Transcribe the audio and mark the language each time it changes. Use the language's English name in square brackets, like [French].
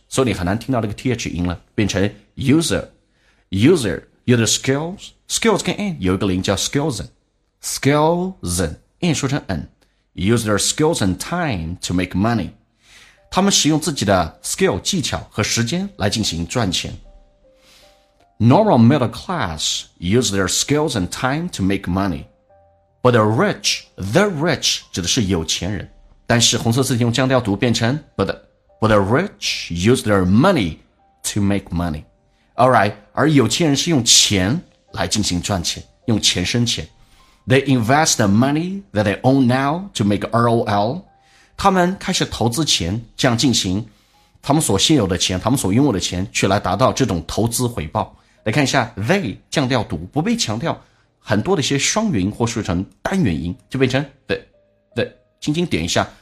[Chinese] 所以你很难听到那个 th 音了，变成 user skills 跟 n 有一个连音叫 skills n 说成 n, [English] use their skills and time to make money. [Chinese] 他们使用自己的 skill 技巧和时间来进行赚钱。 [English] Normal middle class use their skills and time to make money. But the rich [Chinese] 指的是有钱人。但是红色字体用降调读变成 [English] But the rich use their money to make money. [Chinese] Alright, 而有钱人是用钱来进行赚钱，用钱生钱。 [English] They invest the money that they own now to make ROL. [Chinese] 他们开始投资钱，这样进行他们所现有的钱，他们所拥有的钱去来达到这种投资回报。来看一下 they 降调读不被强调，很多的一些双元音或说成单元音就变成 the 轻轻点一下